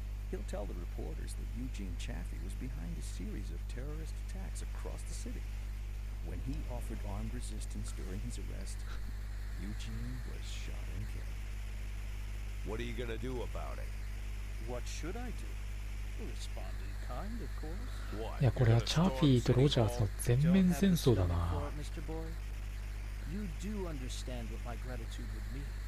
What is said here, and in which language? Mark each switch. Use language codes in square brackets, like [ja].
[en] He'll tell the reporters that Eugene Chaffee was behind a series of terrorist attacks across the city. When he offered armed resistance during his arrest, Eugene was shot and killed. What are you going to do about it? What should I do? Respond in kind, of course. What? [ja] いや、これはチャーフィーとロジャースの全面戦争だな。 [en] You do understand what my gratitude would mean.